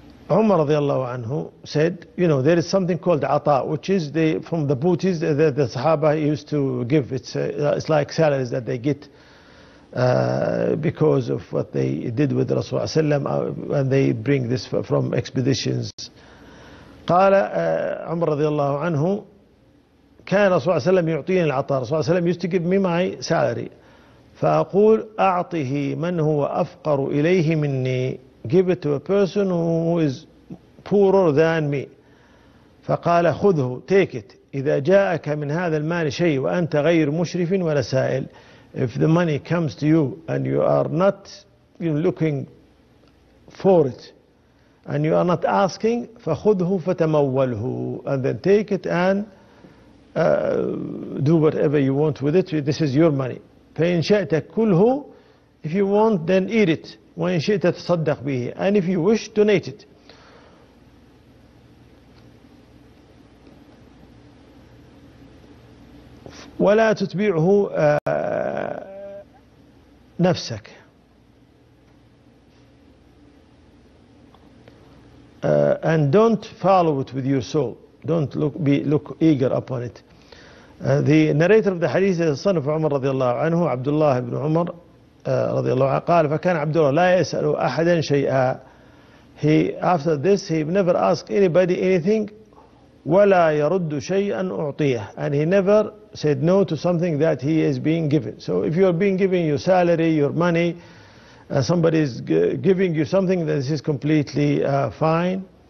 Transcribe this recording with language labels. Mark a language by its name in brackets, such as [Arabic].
[English] Umar radiallahu anhu said, you know, there is something called ata, which is the from the booties that the Sahaba used to give. It's like salaries that they get because of what they did with Rasulullah sallam, and they bring this from expeditions. [Arabic] قال عمر رضي الله عنه كان رسول الله صلى الله عليه وسلم يعطيني العطاء. رسول الله صلى الله عليه وسلم [English] used to give me my salary. [Arabic] فأقول أعطه من هو أفقر إليه مني. [English] Give it to a person who is poorer than me. [Arabic] فقال خذه, [English] take it. [Arabic] إذا جاءك من هذا المال شيء وأنت غير مشرف ولا سائل. [English] If the money comes to you and you are not looking for it and you are not asking, [Arabic] فخذه فتموله, [English] and then take it and do whatever you want with it. This is your money. [Arabic] فإن شئت كله, [English] if you want then eat it, [Arabic] وإن شئت تصدق به, [English] and if you wish donate it. [Arabic] ولا تتبعه نفسك. [English] And don't follow it with your soul. Don't look eager upon it. The narrator of the hadith is the son of Umar رضي الله عنه, عبد الله بن عمر رضي الله عنه, [Arabic] قال فكان عبد الله لا يسأل أحدا شيئا. [English] After this, he never asked anybody anything, [Arabic] ولا يرد شيئا أعطيه, [English] and he never said no to something that he is being given. So if you are being given your salary, your money, somebody is giving you something, then this is completely fine.